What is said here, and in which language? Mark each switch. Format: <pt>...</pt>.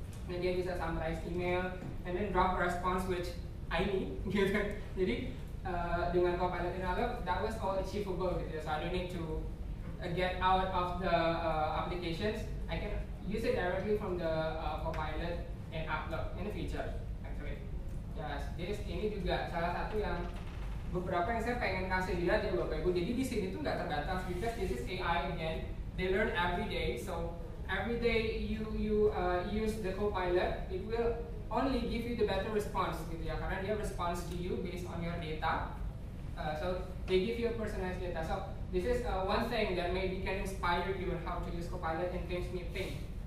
<en>Then</en> <id>dia bisa</id> <en>summarize email and then drop a response which I need, gitu.</en> <id>Jadi dengan</id> <en>Copilot in Outlook, that was all achievable, gitu ya. So I don't need to get out of the applications. I can use it directly from the Copilot in Outlook in the future, actually. Yes, this</en> <id>ini juga salah satu yang beberapa yang saya pengen kasih lihat ya Bapak Ibu. Jadi di sini tuh nggak terbatas,</id> <en>because this is AI again. They learn every day, so every day you use the Copilot, it will only give you the better response, gitu ya.</en> <id>Karena dia</id> <en>responds to you based on your data. So they give you a personalized data. So this is one thing that maybe can inspire you on how to use Copilot and things new thing.</en>